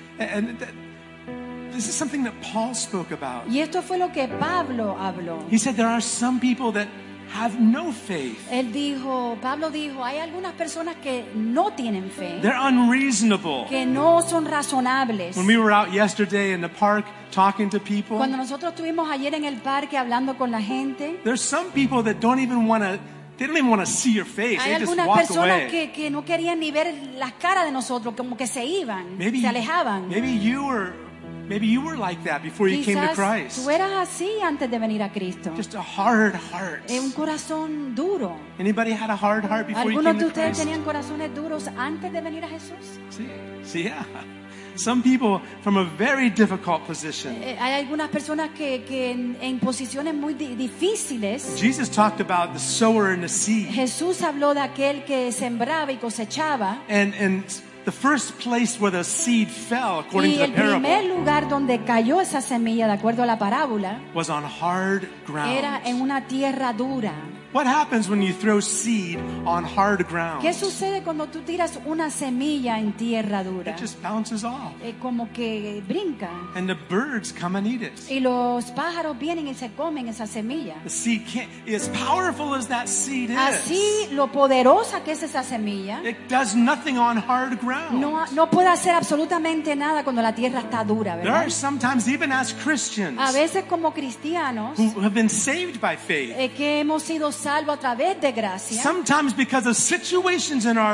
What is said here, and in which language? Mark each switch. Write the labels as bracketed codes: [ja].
[en] And this is something that Paul spoke about. [es] Y esto fue lo que Pablo habló. [en] He said there are some people that have no faith. [es] Él dijo, Pablo dijo, hay algunas personas que no tienen fe. [en] They're unreasonable. [es] Que no son razonables. [en] When we were out yesterday in the park talking to people. [es] Cuando nosotros estuvimos ayer en el parque hablando con la gente. [en] There's some people that don't even want to. They don't even want to see your face. [es] Hay algunas personas que no querían ni ver las caras de nosotros, como que se iban, [en] maybe, [es] se alejaban. [en] Maybe you were like that before [es] quizás [en] you came to Christ. [es] Tú eras así antes de venir a Cristo. [en] Just a hard heart. [es] Un corazón duro. [en] Anybody had a hard heart before you came to Christ? [es] ¿Alguno de ustedes tenían corazones duros antes de venir a Jesús? [en] Sí, yeah. Some people from a very difficult position. [es] Hay algunas personas que en posiciones muy difíciles. [en] Jesus talked about the sower and the seed. [es] Jesús habló de aquel que sembraba y cosechaba. [en] And the first place where the seed fell, according to the parable, [es] y el primer lugar donde cayó esa semilla, de acuerdo a la parábola, [en] was on hard ground. [es] Era en una tierra dura. [en] What happens when you throw seed on hard ground? [es] ¿Qué sucede cuando tú tiras una semilla en tierra dura? [en] It just bounces off. [es] Como que brinca. [en] And the birds come and eat it. [es] Y los pájaros vienen y se comen esa semilla. [en] The seed can't, as powerful as that seed is. [es] Así lo poderosa que es esa semilla. [en] It does nothing on hard ground. [es] No puede hacer absolutamente nada cuando la tierra está dura, ¿verdad? [en] There are sometimes even as Christians. [es] A veces como cristianos. [en] Who have been saved by faith. [es] Que hemos sido salvo a través de gracia. [en] Sometimes because of situations in our